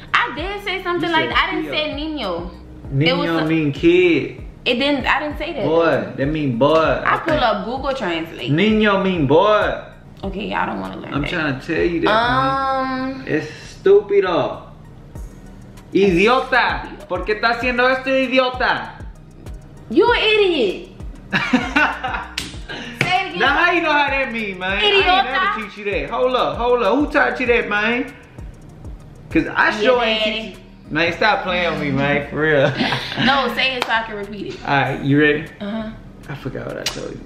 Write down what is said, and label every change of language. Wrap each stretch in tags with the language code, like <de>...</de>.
<en>I did say something like that. I didn't say niño. Niño mean kid. It didn't. I didn't say that. Boy, that mean boy. I pull up Google Translate. Niño mean boy. Okay, I don't want to learn I'm that. I'm trying to tell you that. It's stupid. Idiota.</en> <es>¿Por qué está haciendo esto, idiota?</es> <en>You an idiot. Now, how you know how that mean, man?</en> <es>Idiota.</es> <en>I ain't never teach you that. Hold up. Who taught you that, man? Because I sure ain't teach you. Man, stop playing with me, man. For real. No, say it so I can repeat it. All right, you ready? Uh-huh. I forgot what I told you.</en>